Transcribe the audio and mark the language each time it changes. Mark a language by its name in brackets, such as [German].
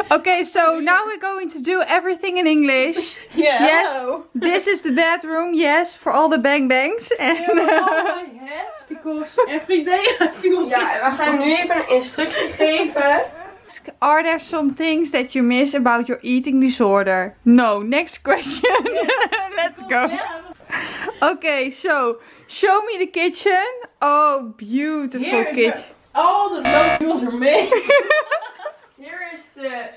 [English] Oké, so now we're going to do everything in English. Yeah, yes. Hello. This is the bedroom, yes, for all the bang bangs. And yeah, all my head, because every day I feel like... [Dutch] Ja, we gaan nu even een instructie geven. [English] Are there some things that you miss about your eating disorder? No, next question. Yes. Let's go. Oké, so show me the kitchen. Oh, beautiful kitchen. All the noodles are made. Here is the...